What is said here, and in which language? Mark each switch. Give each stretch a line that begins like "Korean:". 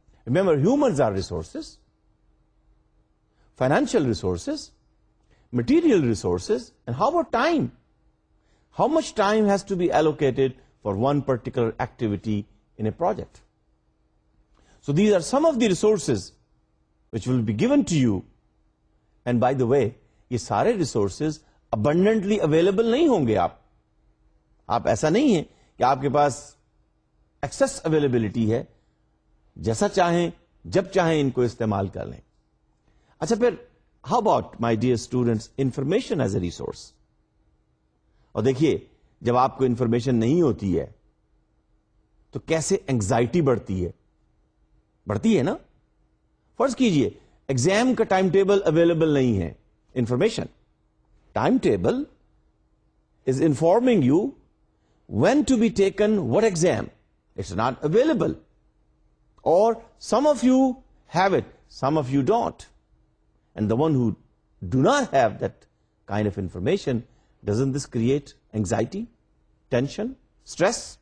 English: Remember, humans are resources. Financial resources, material resources, and how about time? How much time has to be allocated for one particular activity in a project? So these are some of the resources which will be given to you. And by the way,
Urdu: یہ سارے resources abundantly available نہیں ہوں گے. آپ ایسا نہیں ہے کہ آپ کے پاس ایکسس اویلیبلٹی ہے، جیسا چاہیں جب چاہیں ان کو استعمال کر لیں. اچھا پھر
English: How about my dear students information as a resource?
Urdu: اور دیکھیے، جب آپ کو انفارمیشن نہیں ہوتی ہے تو کیسے انگزائٹی بڑھتی ہے، بڑھتی ہے نا. فرض کیجئے ایگزام کا ٹائم ٹیبل اویلیبل نہیں ہے.
English: Information. Time table is informing you when to be taken what exam. It's not available. Or some of you have it, some of you don't. And the one who do not have that kind of information, doesn't this create anxiety, tension, stress?